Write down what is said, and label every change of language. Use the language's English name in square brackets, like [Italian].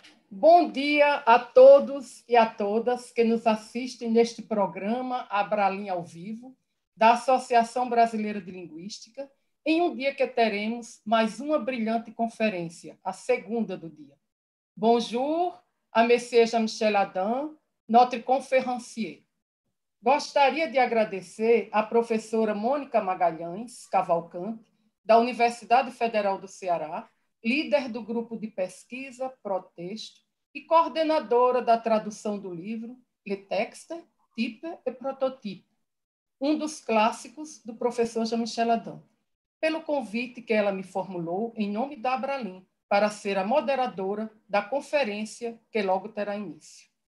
[Portuguese] Bom dia a todos e a todas que nos assistem neste programa Abralim ao Vivo, da Associação Brasileira de Linguística, em um dia que teremos mais uma brilhante conferência, a segunda do dia. [French] Bonjour, à Monsieur Jean-Michel Adam, notre conférencier. [Portuguese] Gostaria de agradecer à professora Mônica Magalhães Cavalcante, da Universidade Federal do Ceará, líder do grupo de pesquisa Protexto e coordenadora da tradução do livro Le Texte, Type et Prototype, um dos clássicos do professor Jean-Michel Adam, pelo convite que ela me formulou em nome da Abralim para ser a moderadora da conferência que logo terá início.